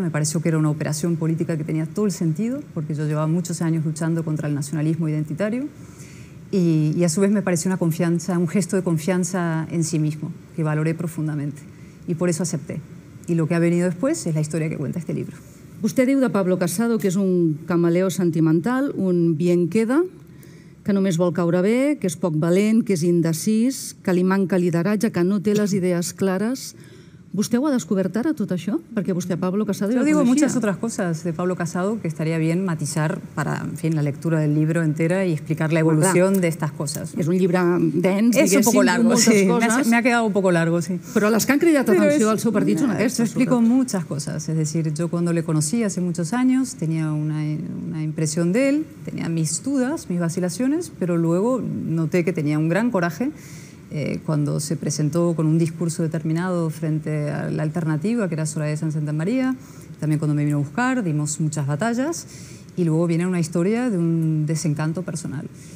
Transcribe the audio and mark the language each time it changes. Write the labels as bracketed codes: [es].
[es] Me pareció que era una operación política que tenía todo el sentido, porque yo llevaba muchos años luchando contra el nacionalismo identitario. Y a su vez me pareció una confianza, un gesto de confianza en sí mismo, que valoré profundamente. Y por eso acepté. Y lo que ha venido después es la historia que cuenta este libro. [ca] Usted diu de Pablo Casado que es un camaleo sentimental, [es] un bien queda, [ca] que només vol caure bé, que es poc valent, que és indecis, que li manca lideratge, que no té les idees clares. ¿Vostè ho ha descobert ara, tot això? Perquè vostè a Pablo Casado ja ho coneixia. Jo dic moltes altres coses de Pablo Casado que estaria bé matisar per, en fi, la lectura del llibre entera i explicar la evolució d'aquestes coses. És un llibre dens, diguéssim, amb moltes coses. M'ha quedat un poc llarg, sí. Però les que han cridat atenció al seu partit són aquestes. Explico moltes coses. És a dir, jo quan [es] le conocí hace muchos años tenía una impresión de él, tenía mis dudas, mis vacilaciones, pero luego noté que tenía un gran coraje cuando se presentó con un discurso determinado frente a la alternativa, que era Soraya Sáenz Santamaría, también cuando me vino a buscar, dimos muchas batallas, y luego viene una historia de un desencanto personal.